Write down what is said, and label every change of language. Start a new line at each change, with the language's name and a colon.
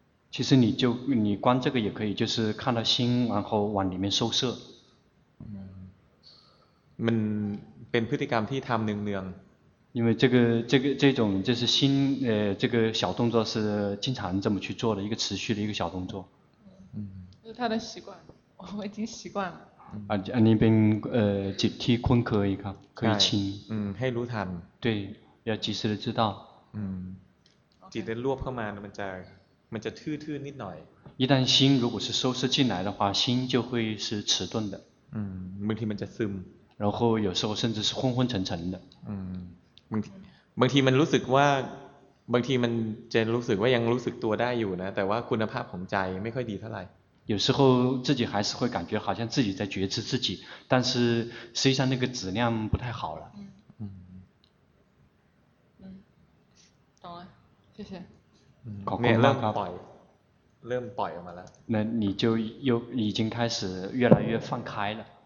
Chinese: 其实你观这个也可以就是看到心然后往里面收摄
Thai: มันเป็นพฤติกรรมที่ทำเนือง
Chinese: ๆ因为这种就是心这个小动作是经常这么去做的一个持续的一个小动作是他的习惯我已经习惯了
Thai: อันนี้เป็นจิตที่คุ้นเคยครับเคยชิน ให้รู้ทัน
Chinese: 对要及时的知道
Thai: จิตได้รวบเข้ามามันจะทื่อๆนิดหน่อย
Chinese: 一旦心如果是收摄进来的话心就会是迟钝的
Thai: บางทีมันจะซึม
Chinese: 然后有时候甚至是昏昏沉沉的
Thai: บางทีมันรู้สึกว่าบางทีมันจะรู้สึกว่ายังรู้สึกตัวได้อยู่นะแต่ว่าคุณภาพของใจไม่ค่อยดีเท่าไหร่
Chinese: 有时候自己还是会感觉好像自己在觉知自己但是实际上那个质量不太好了懂了谢谢你
Thai: เริ่มปล่อยออกมาแล้ว
Chinese: 那你就又已经开始越来越放开了